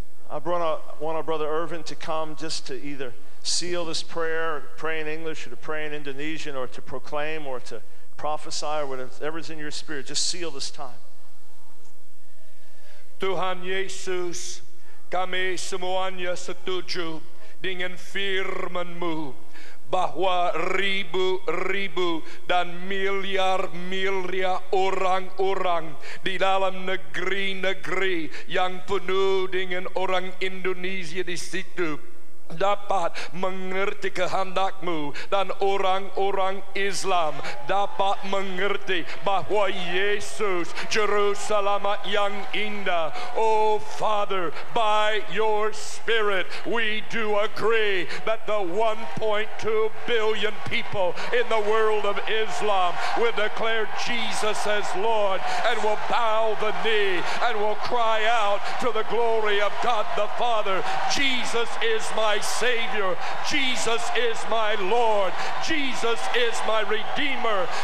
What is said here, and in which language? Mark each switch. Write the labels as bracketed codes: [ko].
[en] I brought want our brother Irvin to come just to either seal this prayer, or pray in English, or to pray in Indonesian, or to proclaim, or to prophesy, or whatever's in your spirit. Just seal this time. [id] Tuhan Yesus, kami semuanya setuju dengan firman-Mu bahwa ribu-ribu dan miliar-miliar orang-orang di dalam negeri-negeri yang penuh dengan orang Indonesia di situ dapat mengerti kehendak-Mu, dan orang-orang Islam dapat mengerti bahwa Yesus Juru Selamat yang indah. [en] Oh Father, by your Spirit we do agree that the 1.2 billion people in the world of Islam will declare Jesus as Lord and will bow the knee and will cry out to the glory of God the Father, Jesus is my Savior, Jesus is my Lord, Jesus is my Redeemer,